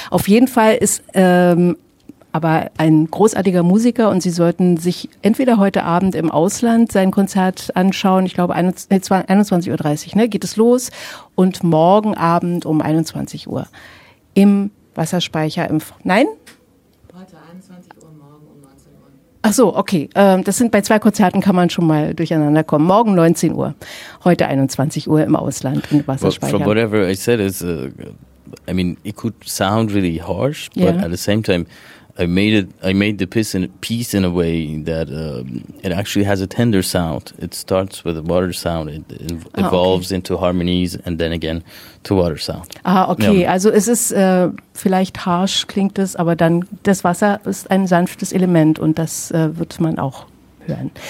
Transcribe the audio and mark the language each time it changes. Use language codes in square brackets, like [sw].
[de] Auf jeden Fall ist aber ein großartiger Musiker und Sie sollten sich entweder heute Abend im Ausland sein Konzert anschauen, ich glaube 21.30 Uhr geht es los und morgen Abend um 21 Uhr im Wasserspeicher im Nein? Ach so, okay. Das sind bei zwei Konzerten kann man schon mal durcheinander kommen. Morgen 19 Uhr, heute 21 Uhr im Ausland im Wasserspeicher. [en] Well, from whatever I said is, I mean, it could sound really harsh, but yeah. At the same time, I made the piece in a way that it actually has a tender sound. It starts with a water sound. It evolves into harmonies and then again to water sound. [de] Also es ist vielleicht harsch klingt es, aber dann das Wasser ist ein sanftes Element und das wird man auch hören.